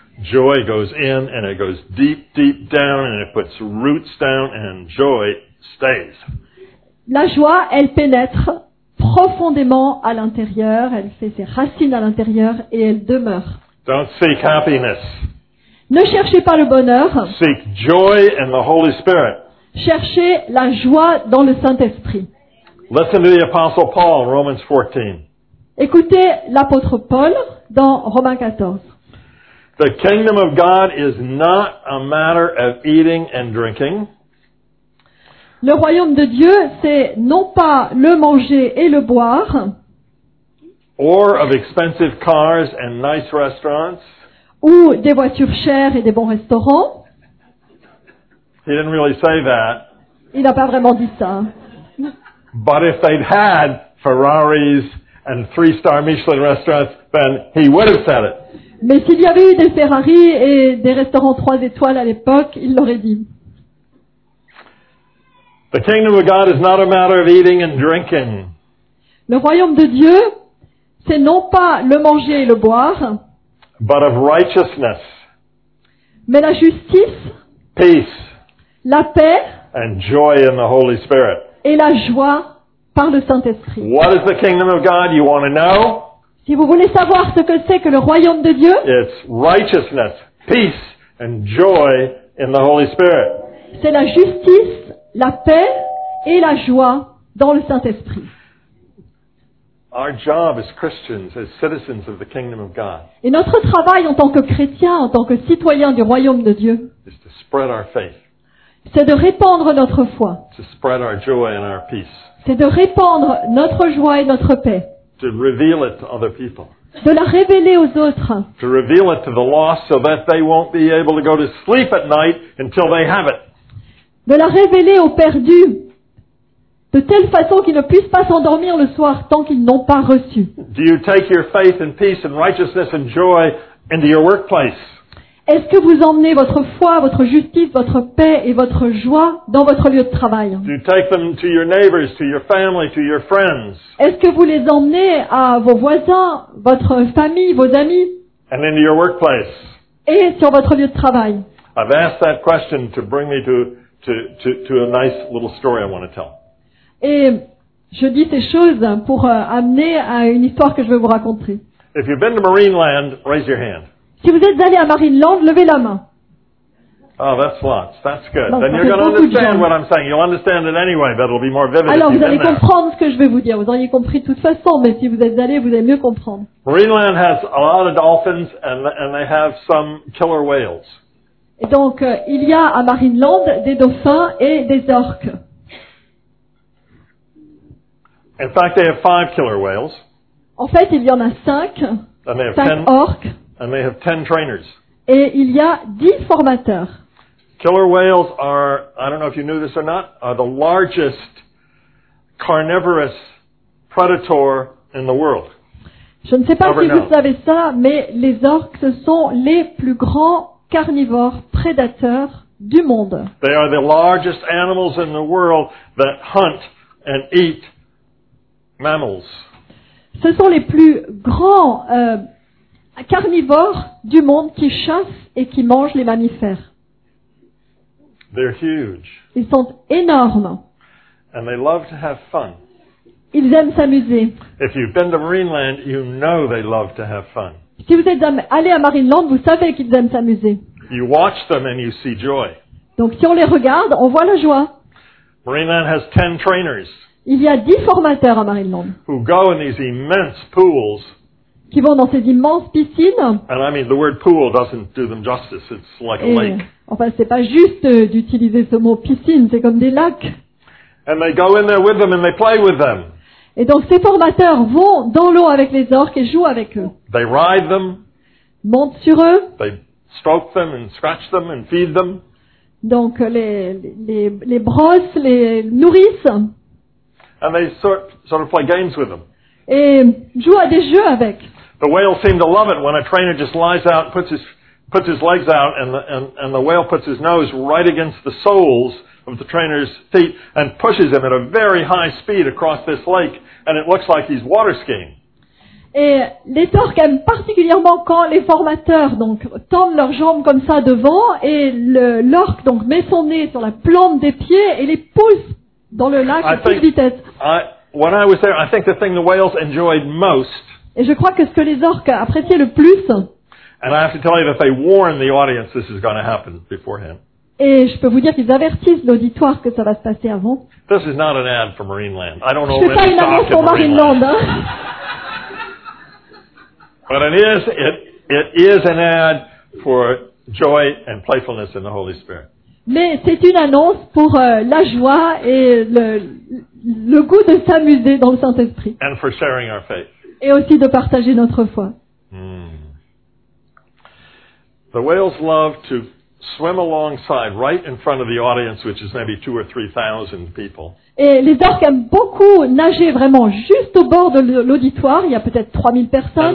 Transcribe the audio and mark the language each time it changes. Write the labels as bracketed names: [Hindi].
[English] Joy goes in and it goes deep, deep down and it puts roots down and joy stays. [French] La joie, elle pénètre profondément à l'intérieur, elle fait ses racines à l'intérieur et elle demeure. [English] Don't seek happiness. [French] Ne cherchez pas le bonheur. [English] Seek joy in the Holy Spirit. [French] Cherchez la joie dans le Saint-Esprit. [English] Listen to the Apostle Paul, Romans 14. [French] Écoutez l'apôtre Paul dans Romains 14. [English] The kingdom of God is not a matter of eating and drinking. [French] Le royaume de Dieu, c'est non pas le manger et le boire. [English] Or of expensive cars and nice restaurants. [French] Ou des voitures chères et des bons restaurants. [English] He didn't really say that. [French] Il n'a pas vraiment dit ça. [English] But if they'd had Ferraris and three-star Michelin restaurants, then he would have said it. [French] Mais s'il y avait eu des Ferrari et des restaurants 3 étoiles à l'époque, il l'aurait dit. [English] The kingdom of God is not a matter of eating and drinking. [French] Le royaume de Dieu, c'est non pas le manger et le boire, [English] but of righteousness. [French] Mais la justice, [English] peace, [French] la paix, [English] and joy in the Holy Spirit. [French] Et la joie par le Saint-Esprit. [English] What is the kingdom of God you want to know? [French] Si vous voulez savoir ce que c'est que le royaume de Dieu, [English] it's righteousness, peace, and joy in the Holy Spirit. [French] C'est la justice, la paix et la joie dans le Saint-Esprit. [English] Our job as Christians, as citizens of the kingdom of God, [French] et notre travail en tant que chrétiens, en tant que citoyens du royaume de Dieu, [English] is to spread our faith. [French] C'est de répandre notre foi. [English] To spread our joy and our peace. [French] C'est de répandre notre joie et notre paix. [English] To reveal it to other people. [French] De la révéler aux autres. [English] To reveal it to the lost so that they won't be able to go to sleep at night until they have it. [French] De la révéler aux perdus de telle façon qu'ils ne puissent pas s'endormir le soir tant qu'ils n'ont pas reçu. [English] Do you take your faith and peace and righteousness and joy into your workplace? [French] Est-ce que vous emmenez votre foi, votre justice, votre paix et votre joie dans votre lieu de travail? [English] Do you take them to your neighbors, to your family, to your friends? [French] Est-ce que vous les emmenez à vos voisins, votre famille, vos amis? [English] And into your workplace? [French] Et sur votre lieu de travail? [English] I've asked that question to bring me to a nice little story I want to tell. [French] Et je dis ces choses pour amener à une histoire que je veux vous raconter. [English] If you've been to Marineland, raise your hand. [French] Si vous êtes allé à Marineland, levez la main. [English] Oh, that's lots. That's good. Non, then you're going to understand what I'm saying. You'll understand it anyway, but it'll be more vivid. [French] Alors, vous allez comprendre [English] there. [French] Ce que je vais vous dire. Vous auriez compris de toute façon, mais si vous êtes allé, vous allez mieux comprendre. [English] Marineland has a lot of dolphins and they have some killer whales. [French] Et donc, il y a à Marineland des dauphins et des orques. [English] In fact, they have 5 killer whales. [French] En fait, il y en a 5. [English] And they have [French] 5 orques. [English] And they have 10 trainers. [French] Et il y a 10 formateurs. [English] Killer whales are, I don't know if you knew this or not, are the largest carnivorous predator in the world. [French] Je ne sais pas si vous savez ça, mais les orques, ce sont les plus grands carnivores prédateurs du monde. [English] They are the largest animals in the world that hunt and eat mammals. [French] Ce sont les plus grands carnivores du monde qui chassent et qui mangent les mammifères. [English] They're huge. [French] Ils sont énormes. [English] And they love to have fun. [French] Ils aiment s'amuser. [English] If you've been to Marineland, you know they love to have fun. [French] Si vous êtes allé à Marineland, vous savez qu'ils aiment s'amuser. [English] You watch them and you see joy. [French] Donc si on les regarde, on voit la joie. [English] Marineland has 10 trainers. [French] Il y a 10 formateurs à Marineland. [English] Who go in these immense pools. [French] Qui vont dans ces immenses piscines. [English] And I mean, the word pool doesn't do them justice. It's like a lake. [French] Enfin, c'est pas juste d'utiliser ce mot piscine, c'est comme des lacs. [English] And they go in there with them and they play with them. [French] Et donc ces formateurs vont dans l'eau avec les orques et jouent avec eux. [English] They ride them. [French] Montent sur eux. [English] They stroke them and scratch them and feed them. [French] Donc les brossent, les nourrissent. [English] And they sort of play games with them. [French] Et joue à des jeux avec. [English] The whale seem to love it when a trainer just lies out, puts his legs out, and the whale puts his nose right against the soles of the trainer's feet and pushes him at a very high speed across this lake, and it looks like he's water skiing. [French] Et les orques aiment particulièrement quand les formateurs donc tendent leurs jambes comme ça devant et l'orque donc met son nez sur la plante des pieds et les pousse dans le lac à toute vitesse. [English] When I was there, I think the thing the whales enjoyed most. [French] Et je crois que ce que les orques appréciaient le plus. [English] And I have to tell you that they warn the audience this is going to happen beforehand. [French] Et je peux vous dire qu'ils avertissent l'auditoire que ça va se passer avant. [English] This is not an ad for Marineland. I don't know. [French] C'est pas une annonce pour Marineland. Hein? [English] But it is an ad for joy and playfulness in the Holy Spirit. [French] Mais c'est une annonce pour la joie et le goût de s'amuser dans le Saint-Esprit. [English] And for sharing our faith. [French] Et aussi de partager notre foi. [English] The whales love to swim alongside, right in front of the audience, which is maybe 2,000 or 3,000 people. [French] Et les orques aiment beaucoup nager vraiment juste au bord de l'auditoire. Il y a peut-être 3,000 personnes.